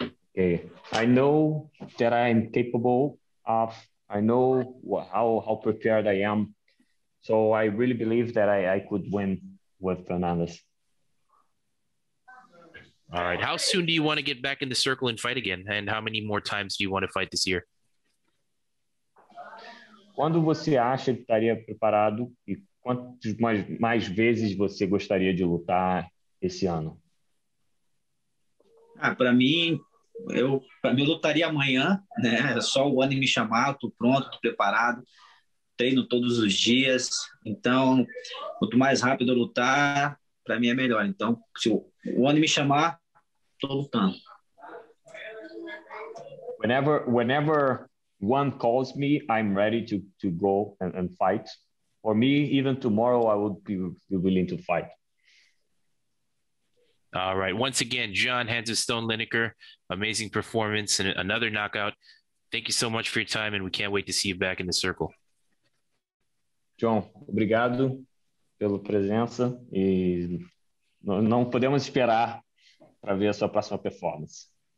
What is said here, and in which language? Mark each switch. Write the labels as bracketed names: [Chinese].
[English] Okay, I know that I am capable of. I know how prepared I am. So I really believe that I could win with Fernandez. All right. How soon do you want to get back in the circle and fight again? And how many more times do you want to fight this year? [Portuguese] Quando você acha que estaria preparado e quantas mais vezes você gostaria de lutar esse ano? Ah, para mim eu lutaria amanhã, né? Só o ano me chamar, tô pronto, tô preparado, treino todos os dias. Então, quanto mais rápido eu lutar, para mim é melhor. Então, se o ano me chamar, tô lutando. [English] Whenever one calls me, I'm ready to go and fight. For me, even tomorrow, I would be willing to fight. All right. Once again, John Hands of Stone Lineker, amazing performance and another knockout. Thank you so much for your time, and we can't wait to see you back in the circle. [Portuguese] John, obrigado pela presença e não podemos esperar para ver a sua próxima performance.